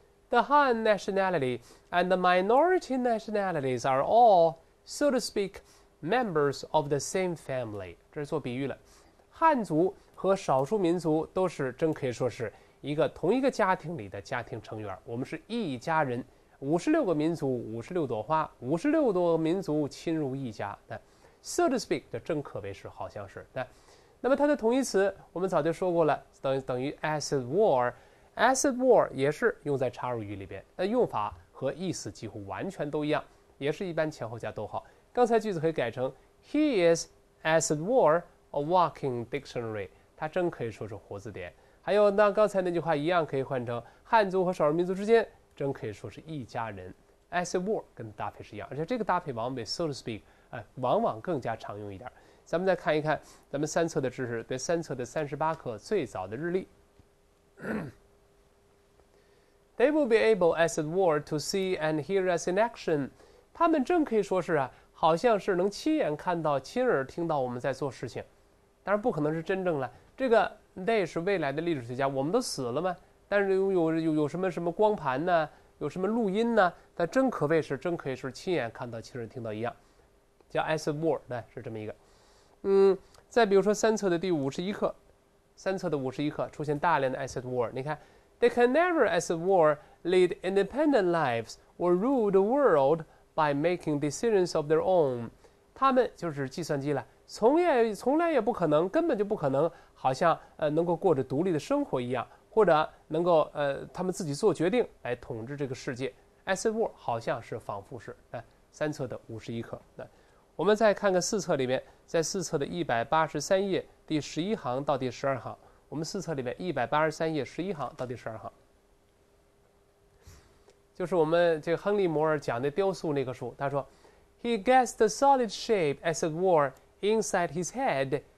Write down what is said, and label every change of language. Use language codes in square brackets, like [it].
[en] The Han nationality and the minority nationalities are all, so to speak, members of the same family. [zh] 这是做比喻了。汉族和少数民族都是真可以说是一个同一个家庭里的家庭成员。我们是一家人，56个民族，56朵花，56多民族亲如一家。 So to speak, 这真可谓是，好像是。那么它的同义词我们早就说过了，等于 as it were。 As it were 也是用在插入语里边，那用法和意思几乎完全都一样，也是一般前后加逗号。刚才句子可以改成 [en] He is as it were a walking dictionary， [zh] 他真可以说是活字典。还有那刚才那句话一样可以换成汉族和少数民族之间真可以说是一家人。 As it were 跟搭配是一样，而且这个搭配往往比 so to speak、往往更加常用一点。咱们再看一看咱们三册的知识，对三册的38课最早的日历。 [en] They will be able, as it were, to see and hear us in action. [zh] 他们真可以说是啊，好像是能亲眼看到、亲耳听到我们在做事情。当然不可能是真正了。这个 they 是未来的历史学家，我们都死了吗？但是有什么什么光盘呢？有什么录音呢？他真可谓是，真可以是亲眼看到、亲耳听到一样，叫 as it were， 对，是这么一个。再比如说三册的第51课，三册的51课出现大量的 as it were， 你看。 [en] They can never, as it were, lead independent lives or rule the world by making decisions of their own. [zh] 他们就是计算机了，从来也不可能，根本就不可能，好像能够过着独立的生活一样，或者能够他们自己做决定来统治这个世界。 As it were 好像是仿佛是三册的51课。我们再看看四册里面，在四册的183页第11行到第12行，我们四册里面183页11行到第12行，就是我们这个亨利摩尔讲的雕塑那个书，他说 [en] He gets the solid shape as it were inside his head.